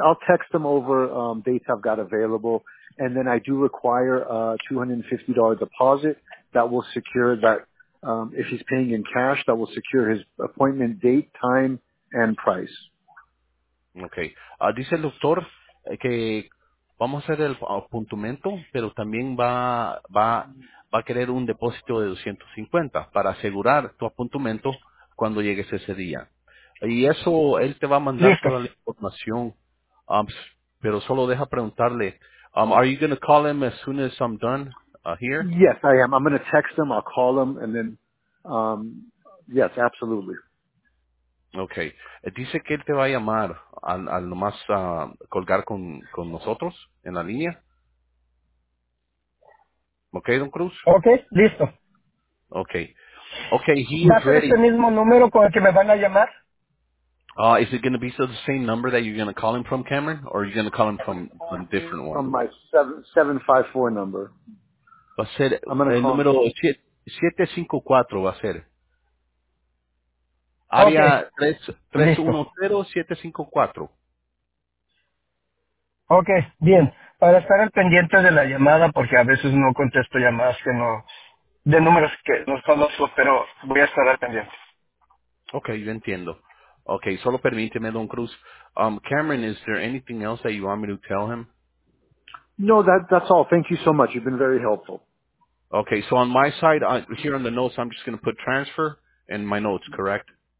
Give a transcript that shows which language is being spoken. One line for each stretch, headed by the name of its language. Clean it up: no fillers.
English: I'll text them over dates I've got available, and then I do require a $250 deposit that will secure that, if he's paying in cash, that will secure his appointment date, time, and price. Okay.
Spanish: Dice el doctor que vamos a hacer el apuntamiento, pero también va a querer un depósito de $250 para asegurar tu apuntamiento cuando llegues ese día. Y eso, él te va a mandar toda la información. Pero solo deja preguntarle,
English: are you going to call him as soon as I'm done here? Yes, I am. I'm going to text him, I'll call him, and then, yes, absolutely. Okay.
Spanish: Dice que él te va a llamar al nomás colgar con nosotros en la línea. Okay, Don Cruz? Okay, listo.
English: Okay. Okay, he's ready.
Spanish: ¿Es el mismo número con el que me van a llamar?
English: Is it going to be the same number that you're going to call him from, Cameron? Or are you going to call him from a different one? From my 754 number.
Spanish: Va a ser el número 754 va a ser. Okay. Área 310-754. Okay, bien. Para estar al pendiente de la llamada, porque a veces no contesto llamadas que no... de números que no conozco, pero voy a estar al pendiente. Okay, yo entiendo. Okay, solo permíteme, Don Cruz.
English: Cameron, is there anything else that you want me to tell him? No, that's all. Thank you so much. You've been very helpful. Okay, so on my side, here on the notes, I'm just going to put transfer in my notes, correct?